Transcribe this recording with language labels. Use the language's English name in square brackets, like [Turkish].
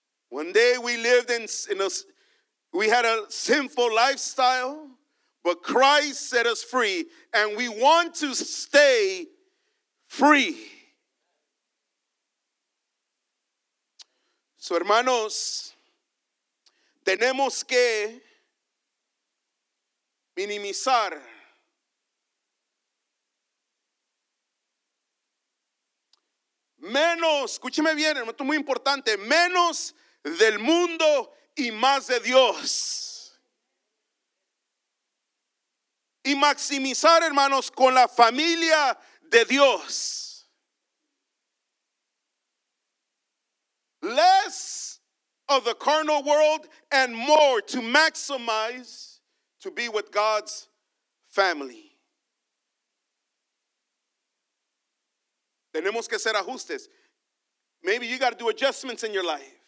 [English] One day we lived we had a sinful lifestyle, but Christ set us free, and we want to stay free. [Spanish] So, hermanos, tenemos que minimizar menos, escúcheme bien, esto es muy importante, menos del mundo y más de Dios. Y maximizar, hermanos, con la familia de Dios. [English] Less of the carnal world and more to maximize to be with God's family. [Spanish] Tenemos que hacer ajustes. [English] Maybe you got to do adjustments in your life.